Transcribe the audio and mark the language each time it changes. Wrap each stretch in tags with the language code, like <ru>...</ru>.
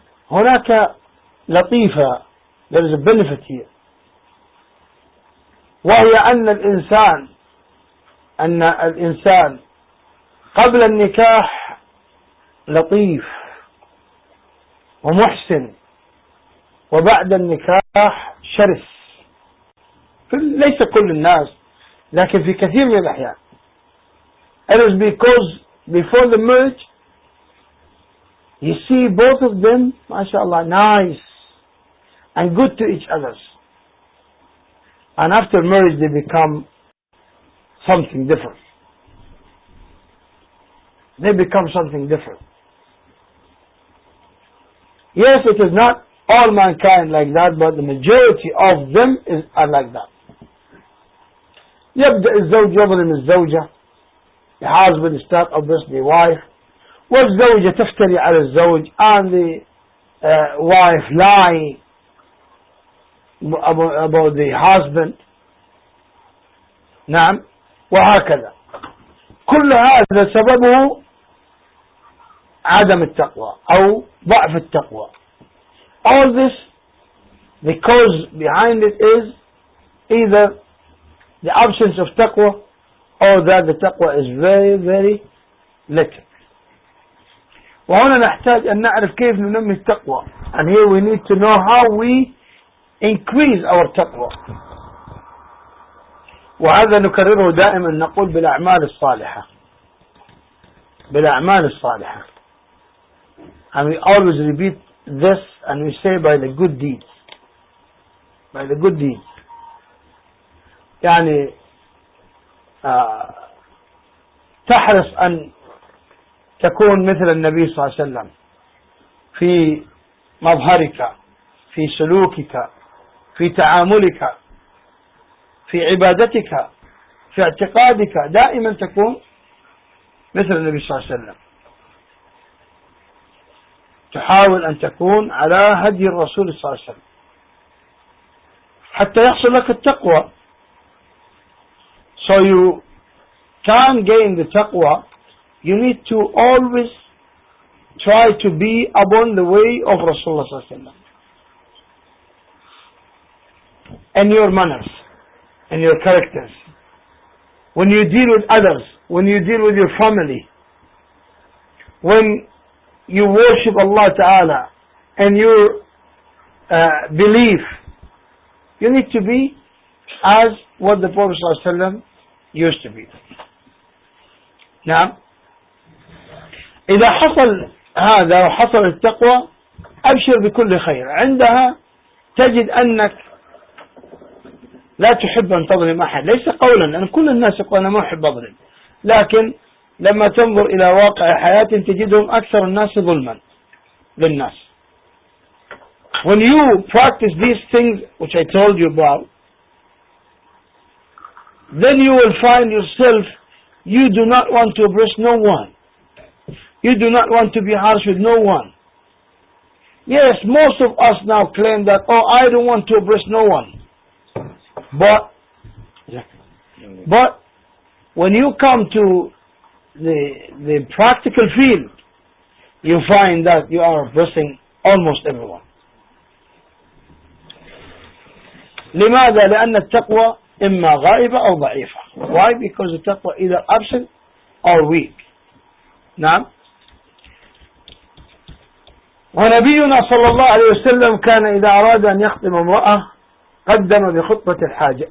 <ar>هناك لطيفة,</ar> <en>there is a benefit here,</en> <ar>وهي أن الإنسان أن الإنسان قبل النكاح لطيف ومحسن وبعد النكاح شرس. ليس كل الناس لكن في كثير من الأحيان.</ar> <en>It is because before the marriage you see both of them ما شاء الله nice and good to each other, and after marriage they become something different. They become something different. Yes, it is not all mankind like that, but the majority of them are like that.</en> <ar>يبدأ الزوج يظلم الزوجة.</ar> <en>The husband starts obviously the wife.</en> <ar>والزوجة تفتري على الزوج,</ar> <en>and the wife lying about the husband.</en> <ar>نعم. وهكذا كل هذا سببه عدم التقوى أو ضعف التقوى.</ar> <en>All this, the cause behind it is either the absence of تقوى or that the تقوى is very very little.</en> <ar>وهنا نحتاج أن نعرف كيف ننمي التقوى,</ar> <en>and here we need to know how we increase our تقوى.</en> <ar>وهذا نكرره دائما, نقول بالأعمال الصالحة, بالأعمال الصالحة.</ar> <en>And we always repeat this and we say by the good deeds, by the good deeds.</en> <ar>يعني تحرص أن تكون مثل النبي صلى الله عليه وسلم في مظهرك, في سلوكك, في تعاملك, في عبادتك, في اعتقادك, دائما تكون مثل النبي صلى الله عليه وسلم, تحاول أن تكون على هدي الرسول صلى الله عليه وسلم حتى يحصل لك التقوى.</ar> <en>So you can gain the taqwa, you need to always try to be upon the way of رسول الله صلى الله عليه وسلم, in your manners, in your characters, when you deal with others, when you deal with your family, when you worship Allah Ta'ala and your belief, you need to be as what the Prophet Sallallahu Alaihi Wasallam used to be.</en> <ar>نعم. إذا حصل هذا وحصل التقوى أبشر بكل خير. عندها تجد أنك لا تحب أن تظلم أحد, ليس قولا أن كل الناس يقول أنا ما أحب أظلم, لكن لما تنظر إلى واقع حياة تجدهم أكثر الناس ظلما للناس.</ar> <en>When you practice these things which I told you about, then you will find yourself, you do not want to oppress no one, you do not want to be harsh with no one. Yes, most of us now claim that, oh, I don't want to oppress no one. But when you come to the practical field, you find that you are oppressing almost everyone.</en> <ar>لماذا؟ لأن التقوى إما غائبة أو ضعيفة.</ar> <en>Why? Because the taqwa either absent or weak. نعم.</en> <ar>ونبينا صلى الله عليه وسلم كان إذا أراد أن يخطب امرأة قدم بخطبة الحاجة.</ar>